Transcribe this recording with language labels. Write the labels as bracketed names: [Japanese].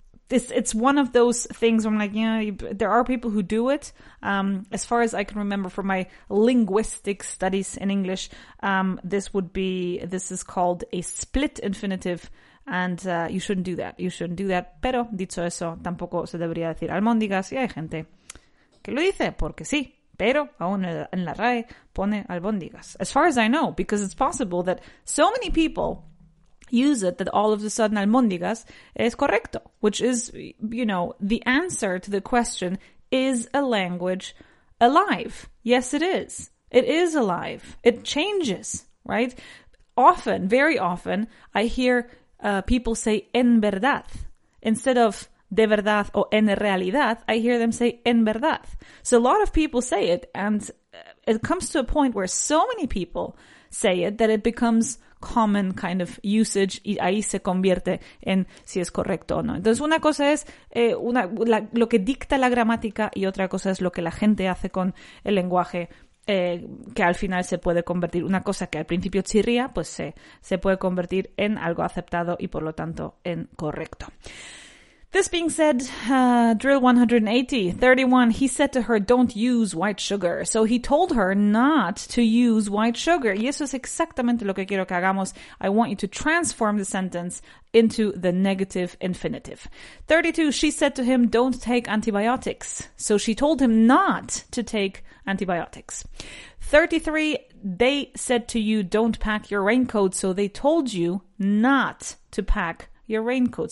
[English] It's one of those things where I'm like, yeah, there are people who do it. As far as I can remember from my linguistic studies in English, this is called a split infinitive. And you shouldn't do that. You shouldn't do that. [Spanish] Pero, dicho eso, tampoco se debería decir albóndigas. Y hay gente que lo dice, porque sí. Pero, aún en la RAE, pone albóndigas. [English] As far as I know, because it's possible that so many people use it that all of a sudden [Spanish] albóndigas es correcto. [English] Which is, you know, the answer to the question, is a language alive? Yes, it is. It is alive. It changes, right? Often, very often, I hear people say [Spanish] en verdad instead of de verdad o en realidad. I hear them say en verdad. [English] So a lot of people say it, and it comes to a point where so many people say it that it becomes common kind of usage, [Spanish] y ahí se convierte en si es correcto o no. Entonces, una cosa es lo que dicta la gramática y otra cosa es lo que la gente hace con el lenguaje, que al final se puede convertir, una cosa que al principio chirría, pues se puede convertir en algo aceptado y por lo tanto en correcto. [English] This being said, drill 180, 31, he said to her, don't use white sugar. So he told her not to use white sugar. [Spanish] Y eso es exactamente lo que quiero que hagamos. [English] I want you to transform the sentence into the negative infinitive. 32, she said to him, don't take antibiotics. So she told him not to take antibiotics. 33, they said to you, don't pack your raincoat. So they told you not to pack your raincoat.